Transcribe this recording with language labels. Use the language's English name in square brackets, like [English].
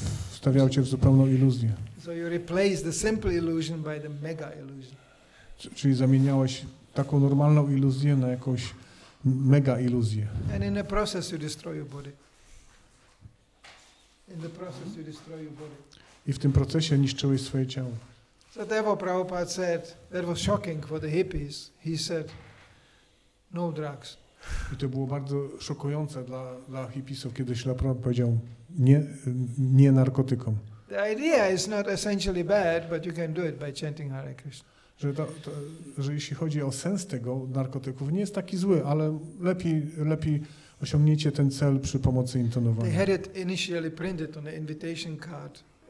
[Polish] Wstawiały cię w zupełną iluzję. [English] So you replace the simple illusion by the mega illusion. [Polish] Czyli zamieniałeś taką normalną iluzję na jakąś mega iluzję. [English] And in the process you destroy your body. In the process you destroy your body. [Polish] I w tym procesie niszczyłeś swoje ciało. [English] So therefore Prabhupada said, that was shocking for the hippies. He said, no drugs. [Polish] I to było bardzo szokujące dla hippisów, kiedy Śla Prabhupada powiedział nie narkotykom. [English] The idea is not essentially bad, but you can do it by chanting Hare Krishna. [Polish] Że jeśli chodzi o sens tego narkotyków, nie jest taki zły, ale lepiej osiągniecie ten cel przy pomocy intonowania. [English] They had it initially printed on the invitation card.